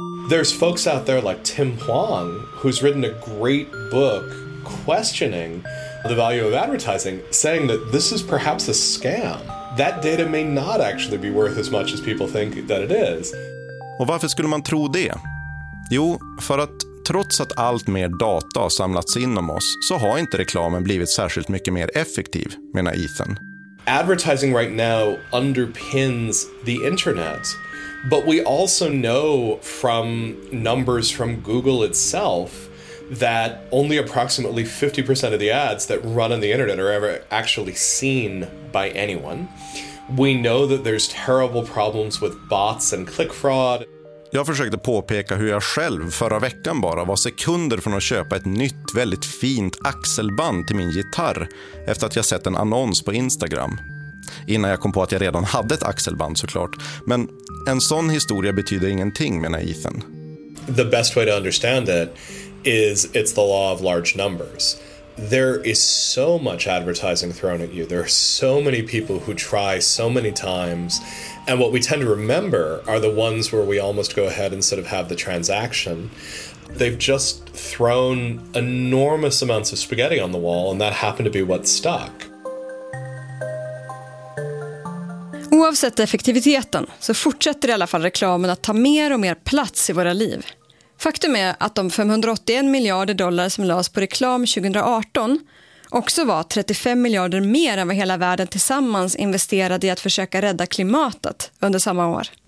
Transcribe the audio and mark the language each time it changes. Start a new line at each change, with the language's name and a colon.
English: There's folks out there like Tim Huang who's written a great book questioning the value of advertising, saying that this is perhaps a scam. That data may not actually be worth as much as people think that it is.
Swedish: Och varför skulle man tro det? Jo, för att trots att allt mer data har samlats in om oss så har inte reklamen blivit särskilt mycket mer effektiv, menar Ethan.
English: Advertising right now underpins the internet. But we also know from numbers from Google itself that only approximately 50% of the ads that run on the internet are ever actually seen by anyone. We know that there's terrible problems with bots and click fraud.
Swedish: Jag försökte påpeka hur jag själv förra veckan bara var sekunder från att köpa ett nytt väldigt fint axelband till min gitarr efter att jag sett en annons på Instagram. Innan jag kom på att jag redan hade ett axelband såklart, men en sån historia betyder ingenting, menar Ethan.
English: The best way to understand it is it's the law of large numbers. There is so much advertising thrown at you. There are so many people who try so many times. And what we tend to remember are the ones where we almost go ahead and sort of have the transaction. They've just thrown enormous amounts of spaghetti on the wall and that happened to be what stuck.
Swedish: Oavsett effektiviteten så fortsätter i alla fall reklamen att ta mer och mer plats i våra liv. Faktum är att de 581 miljarder dollar som lades på reklam 2018 också var 35 miljarder mer än vad hela världen tillsammans investerade i att försöka rädda klimatet under samma år.